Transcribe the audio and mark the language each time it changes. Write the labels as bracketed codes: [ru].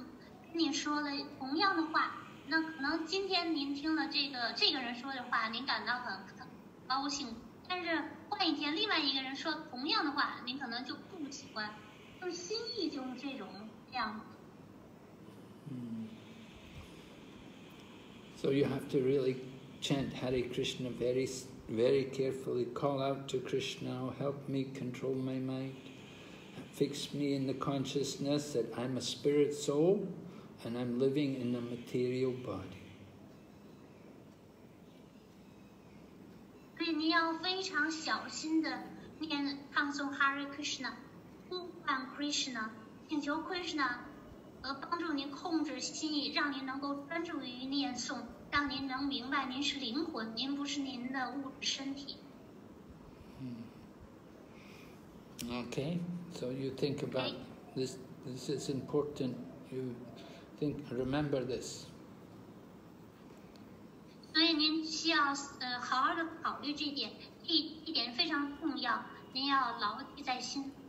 [zh] 某些人呢，跟你说了同样的话。那可能今天您听了这个人说的话，您感到很高兴，但是换一天，另外一个人说同样的话，您可能就不喜欢，就是心意就是这种这样。 [en] So you have to really chant Hare Krishna very, very carefully. Call out to Krishna, help me control my mind, fix me in the consciousness that I'm a spirit soul. And I'm living in a material body. [zh] 对，你要非常小心的念唱诵 Hare Krishna，呼唤 Krishna，请求 Krishna 而帮助您控制心意，让您能够专注于念诵，让您能明白您是灵魂，您不是您的物质身体。 [en] Okay, so you think about this is important. You think, remember this. So you need to consider this very important.